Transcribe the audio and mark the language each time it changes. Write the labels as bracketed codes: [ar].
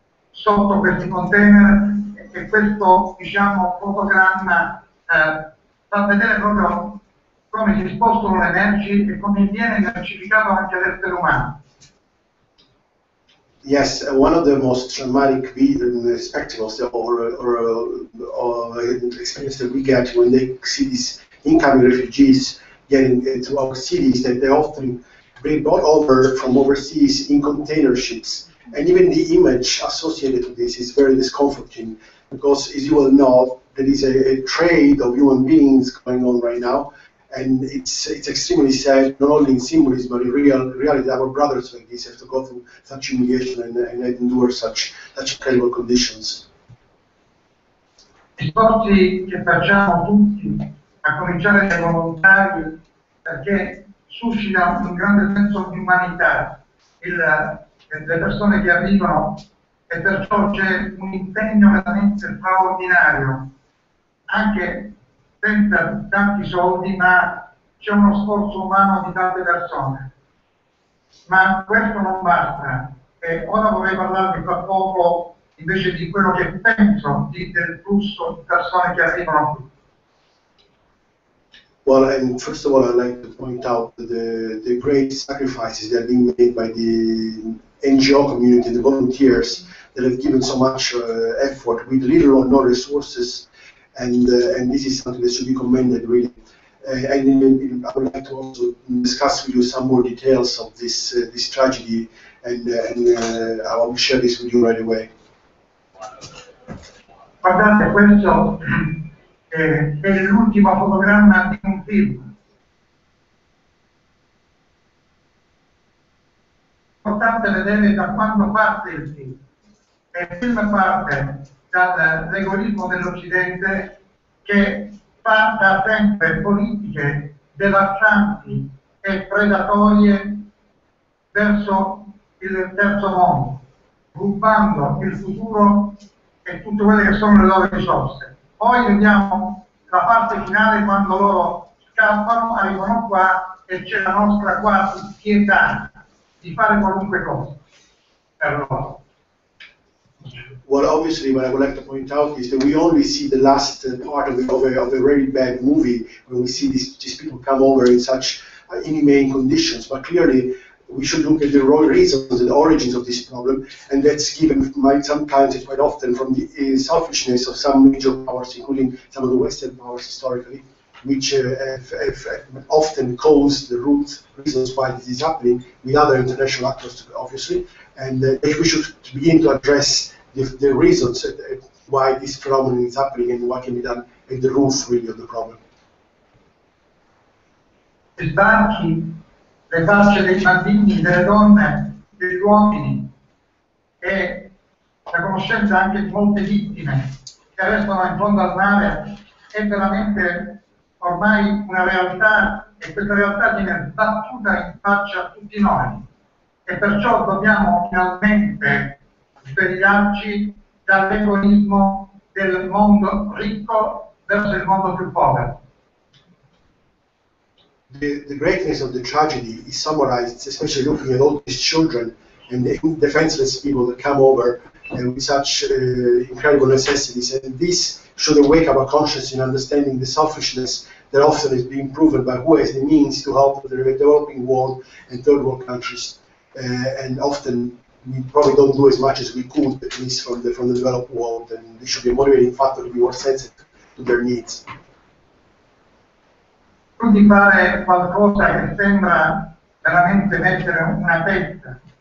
[it] sotto questi container, e questo, diciamo, fotogramma fa vedere proprio come si spostano le merci e come viene mercificato anche l'essere umano. [en] Yes, one of the most traumatic spectacles or experience that we get when they see these incoming refugees getting into our cities, that they often bring brought over from overseas in container ships. And even the image associated with this is very discomforting, because as you will know, there is a trade of human beings going on right now. And it's extremely sad, not only in symbolism, but in reality, our brothers like this have to go through such humiliation and endure such terrible conditions. [it] I sforzi che facciamo tutti, a cominciare dai volontari, perché suscita un grande senso di umanità le persone che arrivano, e perciò c'è un impegno veramente straordinario, anche senza tanti soldi, ma c'è uno sforzo umano di tante persone. Ma questo non basta. E ora vorrei parlarvi tra poco invece di quello che penso del flusso di persone che arrivano qui. [en] Well, and first of all, I'd like to point out the great sacrifices that have been made by the NGO community, the volunteers that have given so much effort with little or no resources. And this is something that should be commended, really. And I would like to also discuss with you some more details of this tragedy and I will share this with you right away. [it] Guardate, questo è l'ultimo fotogramma di un film. Importante vedere da quando parte il film. E il film parte dal regolismo dell'Occidente che fa da sempre politiche devastanti e predatorie verso il terzo mondo, rubando il futuro e tutte quelle che sono le loro risorse. Poi vediamo la parte finale quando loro scappano, arrivano qua e c'è la nostra quasi pietà di fare qualunque cosa per loro. [en] Well, obviously, what I would like to point out is that we only see the last part of a really bad movie when we see these people come over in such inhumane conditions. But clearly, we should look at the real reasons and the origins of this problem, and that's given sometimes and quite often from the selfishness of some major powers, including some of the Western powers historically, which have often caused the root reasons why this is happening with other international actors, obviously, and that we should begin to address the reasons why this phenomenon is happening and what can be done at the roof, really, of the problem. [it] I sbarchi, le facce dei bambini, delle donne, degli uomini e la conoscenza anche di molte vittime che restano in fondo al mare è veramente ormai una realtà e questa realtà viene battuta in faccia a tutti noi e perciò dobbiamo finalmente svegliarci dall'egoismo del mondo ricco verso il mondo più povero. [en] The greatness of the tragedy is summarized, especially looking at all these children and the defenseless people that come over with such incredible necessities. And this should awake our conscience in understanding the selfishness that often is being proven by who has the means to help the developing world and third world countries. And often we probably don't do as much as we could, at least from the developed world, and this should be a motivating factor to be more sensitive to their needs. [it] Di fare qualcosa che sembra veramente mettere una testa.